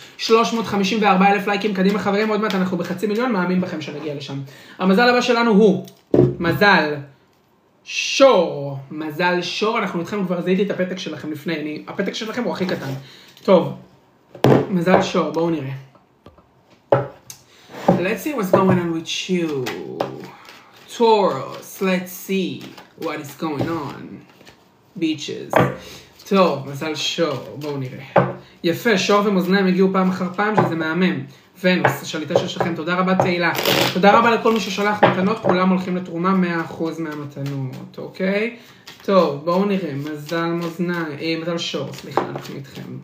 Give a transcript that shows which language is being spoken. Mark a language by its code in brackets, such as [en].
[he] 354,000 לייקים, קדימה, חברים, עוד מעט, אנחנו בחצי מיליון, מאמין בכם שנגיע לשם. המזל הבא שלנו הוא מזל שור, מזל שור, אנחנו איתכם כבר, זיהיתי את הפתק שלכם לפני, הפתק שלכם הוא הכי קטן. טוב, מזל שור, בואו נראה. [en] Let's see what's going on with you. Taurus, let's see what is going on. Beaches. [he] טוב, מזל שור, בואו נראה. יפה, שור ומוזניים הגיעו פעם אחר פעם, שזה מהמם. ונוס, השליטה של שלכם, תודה רבה תהילה. תודה רבה לכל מי ששלח מתנות, כולם הולכים לתרומה 100% מהמתנות, אוקיי? טוב, בואו נראה, מזל מוזניים, מזל שור, סליחה, אנחנו איתכם.